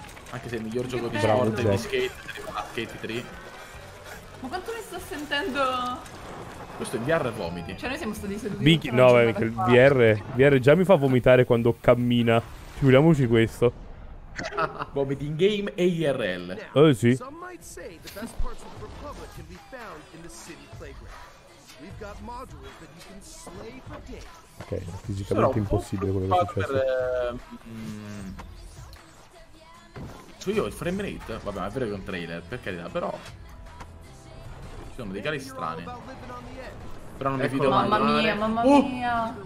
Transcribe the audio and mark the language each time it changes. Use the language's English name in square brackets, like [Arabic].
[Italian] Anche se è il miglior gioco di sport di skate 3. Ma quanto mi sto sentendo... Questo è VR vomiti. Cioè noi siamo stati seduti... VR già mi fa vomitare quando cammina. Figuriamoci questo. Vomiti in game e IRL. Oh sì. [English] Some might say the best parts of the Republic can be found in the city playground. We've got modules that you can slay for days. [Italian] Ok, è fisicamente impossibile quello che è successo. Su io il frame rate, vabbè, è vero che è un trailer, per carità, però ci sono dei cari strani. Però non mi fido mai. Mamma mia, mamma mia.